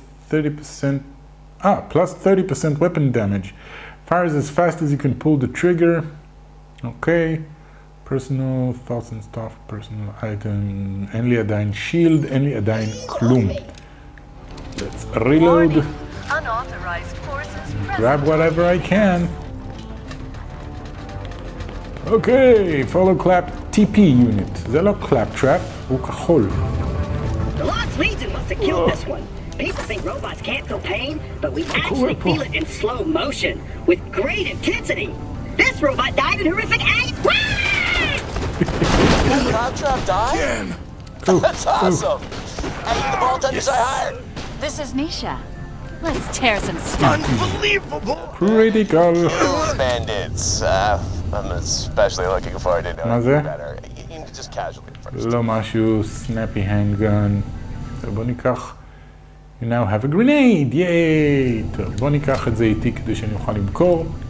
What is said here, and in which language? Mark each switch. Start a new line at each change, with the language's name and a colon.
English: 30%,
Hebrew: פלוס
English: 30% weapon damage. Fires as fast as you can pull the trigger.
Hebrew: אוקיי.
English: Personal thoughts and stuff, personal item.
Hebrew: אין לי עדיין shield, אין לי עדיין כלום.
English: Let's reload. Grab whatever I can.
Hebrew: אוקיי,
English: follow clap TP unit.
Hebrew: זה לא clap trap, הוא כחול.
English: The lost legion must have killed this one. People think robots can't feel pain, but we actually feel it in slow motion, with great intensity. This robot died in horrific agony. Did the clap trap die? Again. That's awesome. I hate the vault hunters I hired. This is Nisha. Let's tear some stuff. Unbelievable. Pretty cool. Bandits. I'm especially looking forward to knowing you better. Even just casually first.
Hebrew: לא משהו,
English: snappy handgun.
Hebrew: טוב, בוא ניקח.
English: You now have a grenade, yay!
Hebrew: טוב, בוא ניקח את זה איתי כדי שאני אוכל למכור.